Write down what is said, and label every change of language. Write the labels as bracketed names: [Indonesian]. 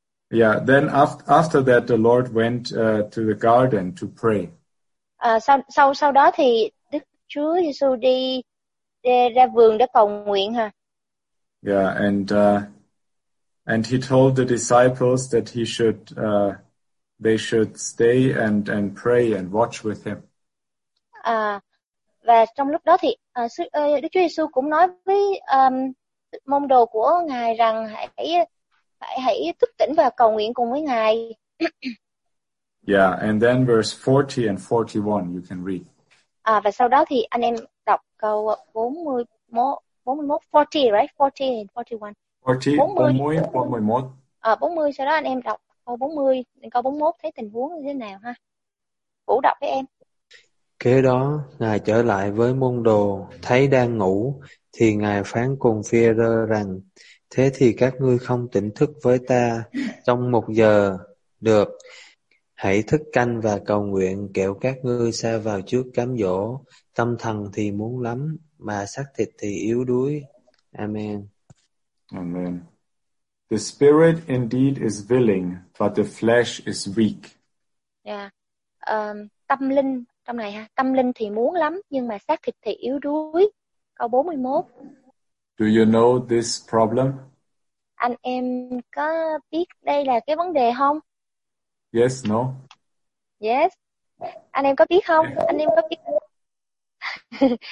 [English] Then after that the Lord went to the garden to pray. [Vietnamese] Sau đó thì Đức Chúa Giêsu đi ra vườn để cầu nguyện ha. [English] Yeah, and he told the disciples that he should they should stay and pray and watch with him. [Vietnamese] Và trong lúc đó thì Đức Chúa Giêsu cũng nói với môn đồ của ngài rằng hãy thức tỉnh và cầu nguyện cùng với ngài. [English] Yeah, and then verse 40 and 41 you can read. [Vietnamese] Và sau đó thì anh em đọc câu 41, 40, right? [English] 40 and 41. 40, 40, 41. [Vietnamese] 40, sau đó anh em đọc câu 40, câu 41 thấy tình huống như thế nào ha. Vũ đọc với em. Kế đó, ngài trở lại với môn đồ, thấy đang ngủ, thì ngài phán cùng Phi-e-rơ rằng: Thế thì các ngươi không tỉnh thức với ta trong 1 giờ được, hãy thức canh và cầu nguyện, kẻo các ngươi sa vào trước cám dỗ, tâm thần thì muốn lắm, mà xác thịt thì yếu đuối. Amen. Amen. [English] The spirit indeed is willing, but the flesh is weak. [Vietnamese] Yeah. Tâm linh. Trong này ha, tâm linh thì muốn lắm nhưng mà xác thịt thì yếu đuối. Câu 41. [English] Do you know this problem? [Vietnamese] Anh em có biết đây là cái vấn đề không? [English] Yes, no. [Vietnamese] Yes. Anh em có biết không? Yeah. Anh em có biết.